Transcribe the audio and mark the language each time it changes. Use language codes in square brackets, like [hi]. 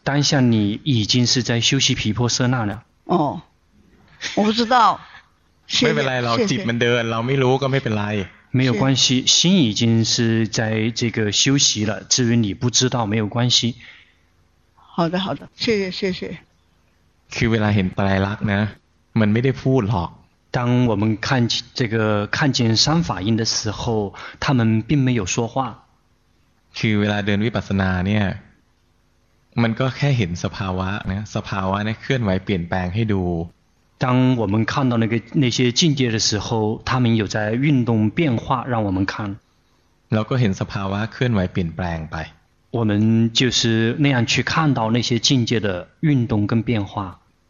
[zh] 当下你已经是在休息毗婆舍那了哦我不知道没问题老子们的老没路没问题没有关系心已经是在这个休息了至于你不知道没有关系好的好的谢谢 [th] คือเวลาเห็นปลายลักษณ์นะมันไม่ได้พูดหรอก [zh] 当我们看这个看见三法印的时候他们并没有说话 [th] คือเวลาเดินวิปัสสนาเนี่ยมันก็แค่เห็นสภาวะนะสภาวะเนี่ยเคลื่อนไหวเปลี่ยนแปลงให้ดู [zh] 当我们看到那些境界的时候他们有在运动变化让我们看 [th] เราก็เห็นสภาวะเคลื่อนไหวเปลี่ยนแปลงไป [zh] 我们就是那样去看到那些境界的运动跟变化